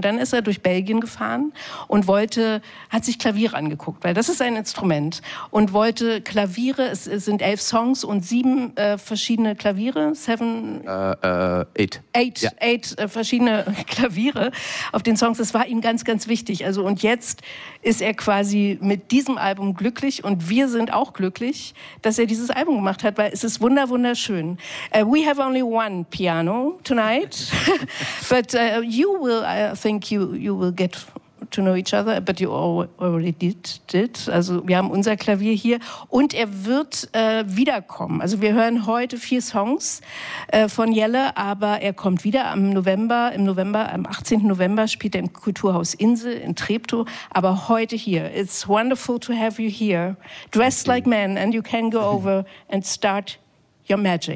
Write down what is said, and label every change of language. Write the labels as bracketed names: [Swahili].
[German] Und dann ist er durch Belgien gefahren und hat sich Klavier angeguckt, weil das ist ein Instrument, und wollte Klaviere, es sind 11 Songs und 7 verschiedene Klaviere, 8 verschiedene Klaviere auf den Songs, das war ihm ganz, ganz wichtig. Also, und jetzt ist er quasi mit diesem Album glücklich und wir sind auch glücklich, dass er dieses Album gemacht hat, weil es ist wunderschön. [English] We have only one piano tonight, but you will, I think you will get to know each other, but you already did. [German] Also wir haben unser Klavier hier und er wird wiederkommen. Also wir hören heute 4 Songs von Jelle, aber er kommt wieder am 18. November spielt er im Kulturhaus Insel in Treptow, aber heute hier. [English] It's wonderful to have you here, dressed like men, and you can go over and start your magic.